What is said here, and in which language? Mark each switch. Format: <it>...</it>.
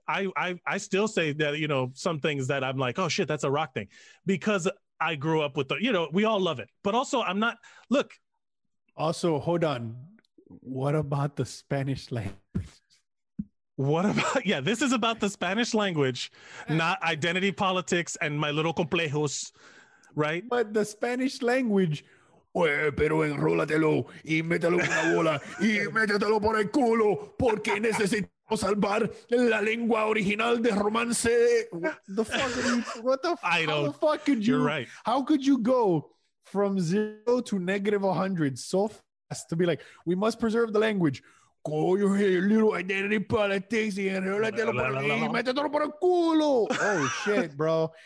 <en>I still say that, you know, some things that I'm like, oh shit, that's a Rock thing, because I grew up with the, you know, we all love it. But also, I'm not, look. Also, hold on. What about the Spanish language? What about, yeah, this is about the Spanish language, not identity politics and my little complejos, right? But the Spanish language,</en> <es>pero enrólatelo y mételo en la bola y mételo por el culo porque necesito. Salvar la lengua original de romance.</es> <en>How could you go from 0 to negative 100 so fast to be like, we must preserve the language? Go your little identity politics. Oh shit, bro.</en>